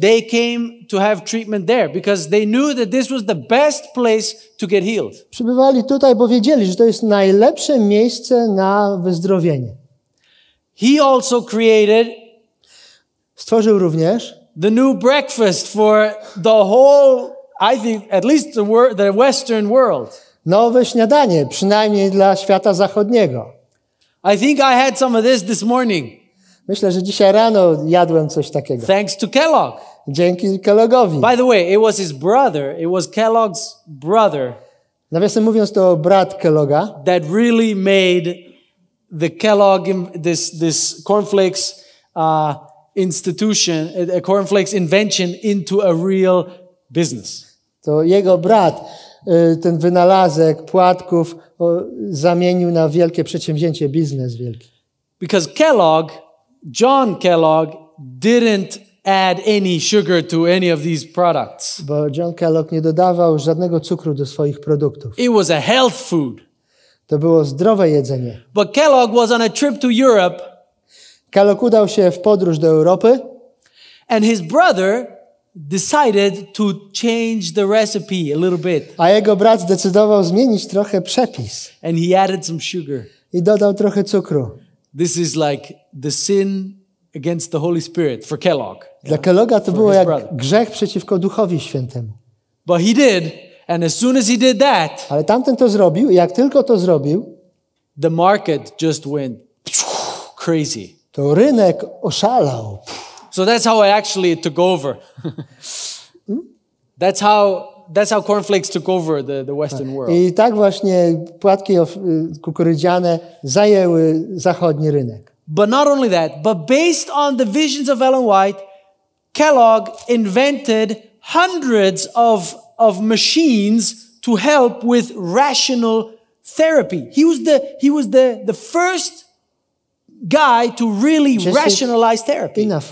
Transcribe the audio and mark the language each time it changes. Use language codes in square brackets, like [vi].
[en] They came to have treatment there because they knew that this was the best place to get healed. [pl] Przybywali tutaj, bo wiedzieli, że to jest najlepsze miejsce na wyzdrowienie. [en] He also created [pl] stworzył również [en] the new breakfast for the whole, I think, at least the Western world. [pl] Nowe śniadanie, przynajmniej dla świata zachodniego. [en] I think I had some of this morning. [pl] Myślę, że dzisiaj rano jadłem coś takiego. [en] Thanks to Kellogg. [pl] Dzięki Kellogowi. [en] By the way, it was his brother. It was Kellogg's brother. [pl] Nawiasem mówiąc, to brat Kelloga. [en] That really made the Kellogg this cornflakes institution, a cornflakes invention into a real business. [pl] To jego brat ten wynalazek płatków zamienił na wielkie przedsięwzięcie, biznes wielki. [en] Because Kellogg, John Kellogg, didn't add any sugar to any of these products. [pl] Bo John Kellogg nie dodawał żadnego cukru do swoich produktów. [en] It was a health food. [pl] To było zdrowe jedzenie. [en] But Kellogg was on a trip to Europe. [pl] Kellogg udał się w podróż do Europy. [en] And his brother decided to change the recipe a little bit. [pl] A jego brat zdecydował zmienić trochę przepis. [en] And he added some sugar. [pl] I dodał trochę cukru. [en] This is like the sin against the Holy Spirit for Kellogg. [pl] Dla Kelloga to było jak grzech przeciwko Duchowi Świętemu. [en] But he did, and as soon as he did that, [pl] ale tamten to zrobił, jak tylko to zrobił, [en] the market just went crazy. [pl] To rynek oszalał. [en] So that's how I actually took over. That's how cornflakes took over the Western world. [pl] I tak właśnie płatki kukurydziane zajęły zachodni rynek. [en] But not only that, but based on the visions of Ellen White, Kellogg invented hundreds of machines to help with rational therapy. He was the first guy to really rationalize therapy.